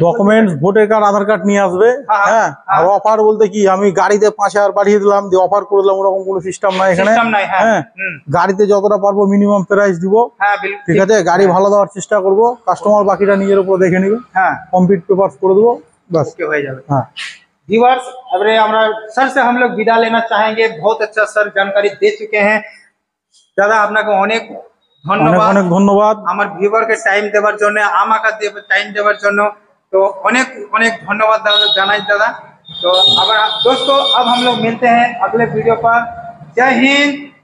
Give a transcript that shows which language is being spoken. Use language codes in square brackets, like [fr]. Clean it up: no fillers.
[bn] Documents, voter card, আধার card নিয়ে আসবে। হ্যাঁ, আর অফার বলতে কি, আমি গাড়িতে 5,000 বাড়িয়ে দিলাম, দিয়ে অফার করে দিলাম, ওরকম কোনো সিস্টেম নাই এখানে। সিস্টেম নাই? হ্যাঁ, গাড়িতে যতটা পারবো মিনিমাম প্রাইস দিব। হ্যাঁ, বিল, ঠিক আছে, গাড়ি ভালো দেওয়ার চেষ্টা করব, কাস্টমার বাকিটা নিজের উপর দেখে নেবে। হ্যাঁ, কমপ্লিট পেপারস করে দেব, ব্যাস হয়ে যাবে। হ্যাঁ, [hi] व्यूअर्स, अरे हमारा सर से हम लोग विदा लेना चाहेंगे, बहुत अच्छा सर जानकारी दे चुके हैं, दादा आपको अनेक धन्यवाद [bn] আমার ভিউয়ার কে টাইম দেওয়ার জন্য, আমাকে দেব টাইম দেওয়ার জন্য, তো অনেক অনেক ধন্যবাদ দাদা, জানাই দাদা। তো আবার [hi] দোস্ত, আব হাম লোগ মিলতে হ্যায় আগলে ভিডিও পর। জয় হিন্দ,